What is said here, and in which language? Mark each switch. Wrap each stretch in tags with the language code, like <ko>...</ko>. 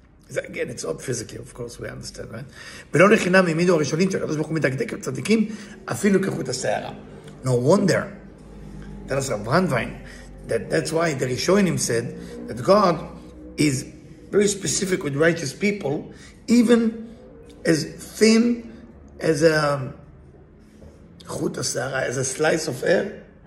<en>זה, again, it's not physically, of course, we understand, right?</en> <he>ולא לחינם העמידו הראשונים שהקדוש ברוך הוא מדקדק לצדיקים, אפילו כחוט השערה.</he> <en>No wonder. That's a brandwein. That's why the ראשונים said that God is very specific with righteous people, even as thin as a chut ha'seara, as a slice of hair.</en>